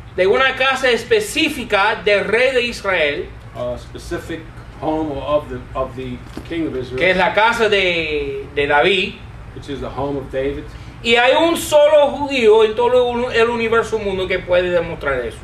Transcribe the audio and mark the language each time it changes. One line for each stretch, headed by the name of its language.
Spanish: De una casa específica del rey de Israel.
English: A specific home of the king of Israel.
Spanish: Que es la casa de David.
English: Which is the home of David.
Spanish: Y hay un solo judío en todo el universo mundo que puede demostrar eso.